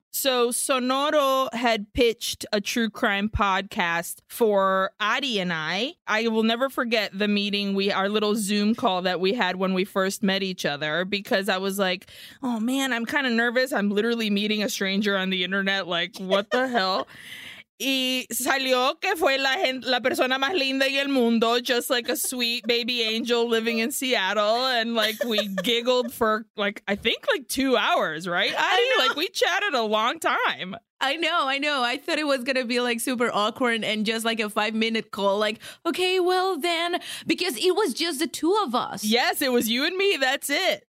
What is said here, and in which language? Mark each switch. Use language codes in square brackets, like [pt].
[en] So Sonoro had pitched a true crime podcast for Ari and I. I will never forget the meeting, our little Zoom call that we had when we first met each other, because I was like, oh, man, I'm kind of nervous. I'm literally meeting a stranger on the internet. Like, what the hell? [es] Y salió que fue la persona más linda y el mundo, [en] just like a sweet baby angel living in Seattle. And like we giggled for like, I think like 2 hours, right? I know. Like we chatted a long time. I know. I thought it was going to be like super awkward and just like a 5-minute call. Like, okay, well then, because it was just the two of us. Yes, it was you and me. That's it.